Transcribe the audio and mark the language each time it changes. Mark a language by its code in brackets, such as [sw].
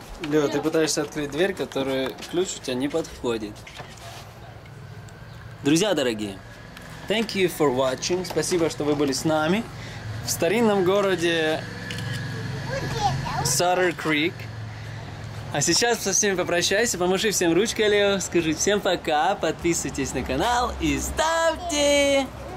[ru] Лео, ты пытаешься открыть дверь, которую ключ у тебя не подходит. Друзья дорогие, [en] thank you for watching. [ru] Спасибо, что вы были с нами в старинном городе Sutter Creek. А сейчас со всеми попрощайся, помаши всем ручкой, Лео. Скажи всем пока, подписывайтесь на канал и ставьте